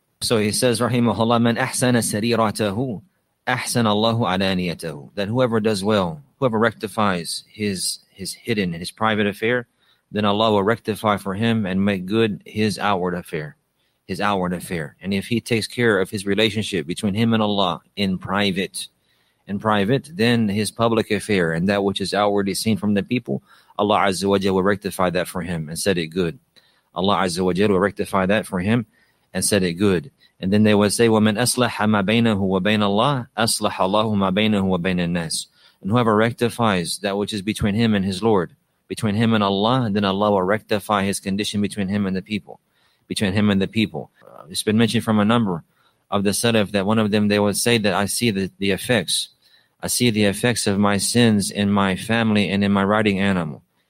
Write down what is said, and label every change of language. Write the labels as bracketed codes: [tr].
[en] So he says, rahimahullah, [ar] man ahsana sariratahu ahsana Allahu alaniyatahu, [en] that whoever does well, whoever rectifies his hidden and his private affair, then Allah will rectify for him and make good his outward affair, And if he takes care of his relationship between him and Allah in private, in private, then his public affair, and that which is outwardly seen from the people, Allah Azza wa Jalla will rectify that for him and set it good. Allah Azza wa Jalla will rectify that for him and set it good. And then they would say, [ar] وَمَنْ أَصْلَحَ مَا بَيْنَهُ وَبَيْنَ اللَّهِ أَصْلَحَ اللَّهُ مَا بَيْنَهُ وَبَيْنَ النَّاسِ. [en] And whoever rectifies that which is between him and his Lord, between him and Allah, then Allah will rectify his condition between him and the people. Between him and the people. It's been mentioned from a number of the Salaf that one of them, they would say that I see the effects. I see the effects of my sins in my family and in my riding animal.